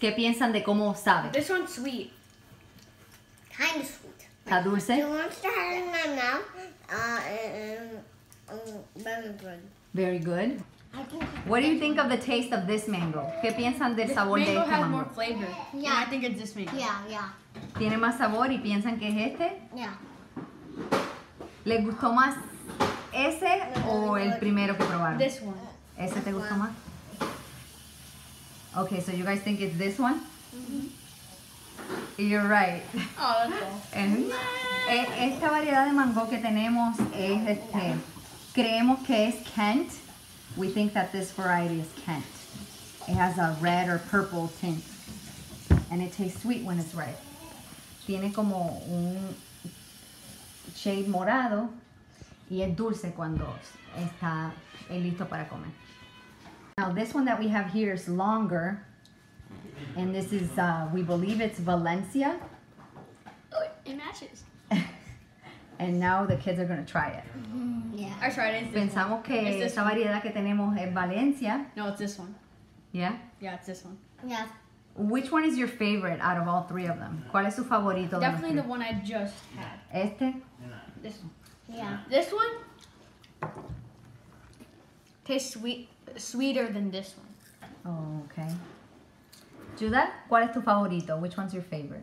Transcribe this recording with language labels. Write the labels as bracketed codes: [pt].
[es] ¿Qué piensan de cómo sabe? [en] This one's sweet. Kind of sweet. [es] ¿Está dulce? [en] The one that has in my mouth is very good. Very good. What do you think of the taste of this mango? [es] ¿Qué piensan del sabor de este mango? [en] This mango has more flavor. Yeah. I think it's this mango. Yeah. [es] ¿Tiene más sabor y piensan que es este? [en] Yeah. [es] ¿Les gustó más ese o el primero que probaron? [en] This one. [es] ¿Ese te gustó más? [en] Okay, so you guys think it's this one? Mm-hmm. You're right. Oh, that's cool. [es] Esta variedad de mango que tenemos es este. Creemos que es Kent. [en] We think that this variety is Kent. It has a red or purple tint. And it tastes sweet when it's ripe. [es] Tiene como un shade morado. Y es dulce cuando está listo para comer. [en] Now this one that we have here is longer. And this is, we believe it's Valencia. Oh, it matches. And now the kids are going to try it. Yeah. I tried it. [es] Pensamos que esta variedad que tenemos es Valencia. [en] No, it's this one. Yeah? Yeah, it's this one. Yeah. Which one is your favorite out of all three of them? [es] ¿Cuál es su favorito? [en] Definitely [es] de los tres? [en] The one I just had. [es] ¿Este? [en] This one. Yeah. This one tastes sweeter than this one. Oh, okay. Judah, [es] ¿cuál es tu favorito? [en] Which one's your favorite?